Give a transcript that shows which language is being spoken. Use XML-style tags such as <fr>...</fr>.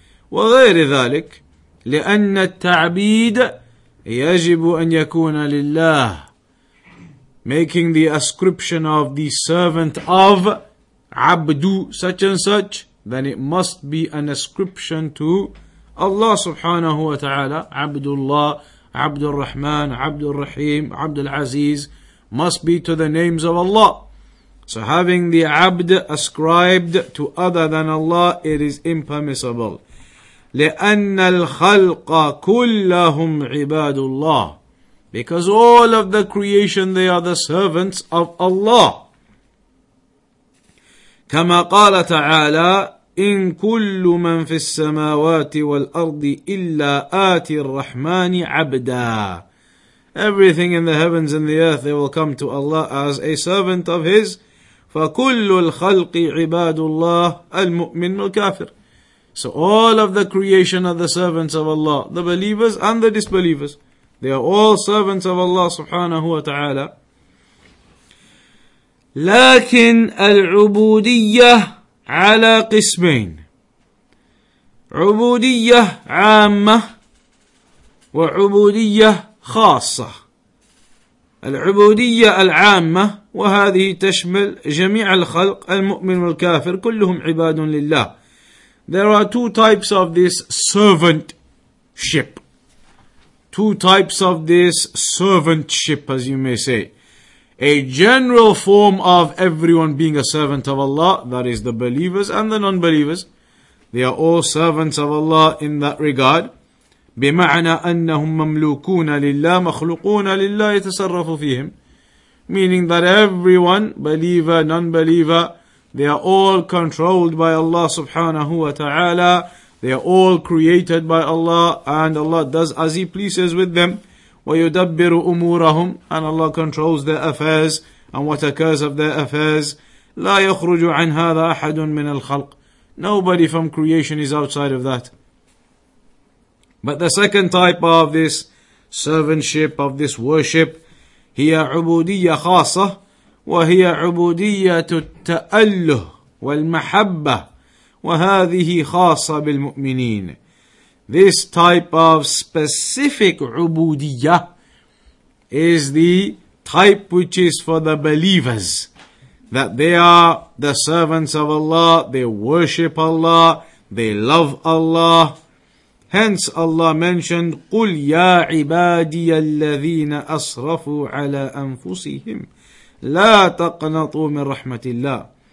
<ar>وغير ذلك لأن التعبيد يجب أن يكون لله,</ar> <en>making the ascription of the servant of عبدو such and such, then it must be an ascription to Allah سبحانه وتعالى. عبد الله, عبد الرحمن, عبد الرحيم, عبد العزيز, must be to the names of Allah. So having the عبد ascribed to other than Allah, it is impermissible.</en> <ar>لِأَنَّ الْخَلْقَ كُلَّهُمْ عِبَادُ اللَّهِ,</ar> <en>because all of the creation, they are the servants of Allah.</en> <ar>كَمَا قَالَ تَعَالَى إِن كُلُّ مَنْ فِي السَّمَاوَاتِ وَالْأَرْضِ إِلَّا آتِي الرَّحْمَانِ عَبْدًا,</ar> <en>everything in the heavens and the earth, they will come to Allah as a servant of His.</en> <ar>فَكُلُّ الْخَلْقِ عِبَادُ اللَّهِ الْمُؤْمِنُ الْكَافِرِ,</ar> <en>so all of the creation are the servants of Allah, the believers and the disbelievers. They are all servants of Allah subhanahu wa ta'ala.</en> <ar>لكن العبودية على قسمين, عبودية عامة وعبودية خاصة. العبودية العامة وهذه تشمل جميع الخلق المؤمن والكافر كلهم عباد لله.</ar> <en>There are two types of this servantship. Two types of this servantship, as you may say. A general form of everyone being a servant of Allah, that is the believers and the non-believers. They are all servants of Allah in that regard.</en> <ar>بمعنى أنهم مملوكون لله مخلوقون لله يتصرف فيهم.</ar> <en>Meaning that everyone, believer, non-believer, they are all controlled by Allah subhanahu wa ta'ala. They are all created by Allah, and Allah does as He pleases with them.</en> <ar>وَيُدَبِّرُ أُمُورَهُمْ,</ar> <en>and Allah controls their affairs and what occurs of their affairs.</en> <ar>لَا يَخْرُجُ عَنْ هَذَا أَحَدٌ مِنَ الْخَلْقِ.</ar> <en>Nobody from creation is outside of that. But the second type of this servantship, of this worship,</en> <ar>هي عبودية خاصة وهي عبودية التأله والمحبة وهذه خاصة بالمؤمنين.</ar> <en>This type of specific عبودية is the type which is for the believers, that they are the servants of Allah, they worship Allah, they love Allah. Hence Allah mentioned,</en> <ar>قُلْ يَا عِبَادِيَ الَّذِينَ أَصْرَفُوا عَلَىٰ أَنفُسِهِمْ لَا تَقْنَطُوا مِنْ رَحْمَةِ اللَّهِ.</ar>